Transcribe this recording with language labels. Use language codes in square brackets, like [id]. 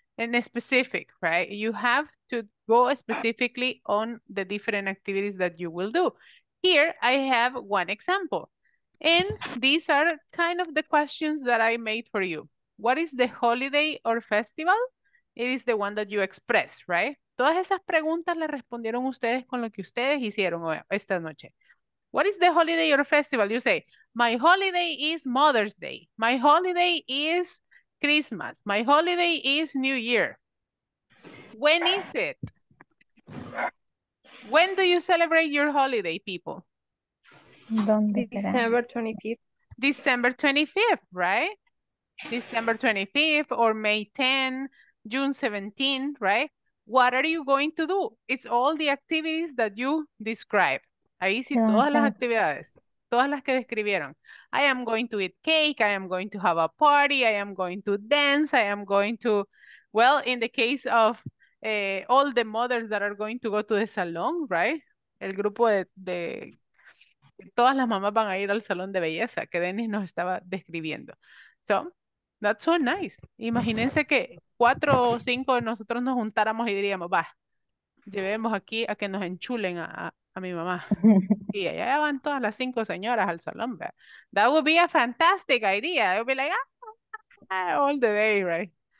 [en] And specific, right? You have to go specifically on the different activities that you will do. Here, I have one example. And these are kind of the questions that I made for you. What is the holiday or festival? It is the one that you express, right? [es] Todas esas preguntas las respondieron ustedes con lo que ustedes hicieron esta noche. [en] What is the holiday or festival? You say, my holiday is Mother's Day. My holiday is Christmas. My holiday is New Year. When is it? When do you celebrate your holiday, people? December 25th. December 25th, right? December 25th or May 10th, June 17th, right? What are you going to do? It's all the activities that you describe. [es] Ahí sí, todas las actividades. Todas las que describieron. [en] I am going to eat cake. I am going to have a party. I am going to dance. I am going to, well, in the case of all the mothers that are going to go to the salon, right? [es] El grupo de todas las mamás van a ir al salón de belleza que Dennis nos estaba describiendo. [en] So, that's so nice. [es] Imagínense que 4 o 5 de nosotros nos juntáramos y diríamos, va, llevemos aquí a que nos enchulen a mi mamá. Y allá van todas las 5 señoras al salón, ¿verdad? [en] That would be a fantastic idea. It would be like, all the day, right?